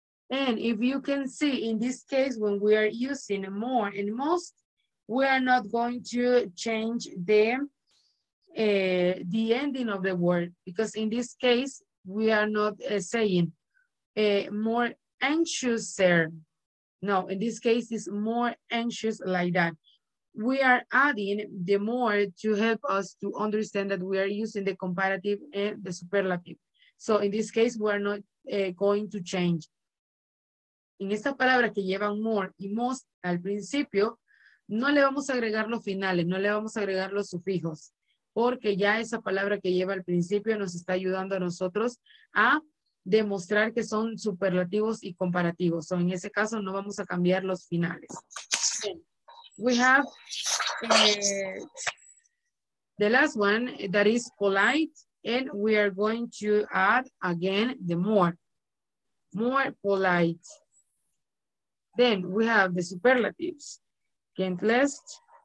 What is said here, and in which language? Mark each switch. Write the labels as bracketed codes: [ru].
[en] And if you can see in this case, when we are using more and most, we are not going to change the ending of the word, because in this case, we are not saying more anxious there. No, in this case, it's more anxious like that. We are adding the more to help us to understand that we are using the comparative and the superlative. So in this case, we are not going to change. [es] En estas palabras que llevan more y most al principio, no le vamos a agregar los finales, no le vamos a agregar los sufijos, porque ya esa palabra que lleva al principio nos está ayudando a nosotros a demostrar que son superlativos y comparativos. So en ese caso, no vamos a cambiar los finales. [en] Okay. We have the last one, that is polite, and we are going to add again the more. More polite. Then we have the superlatives. Gentlest.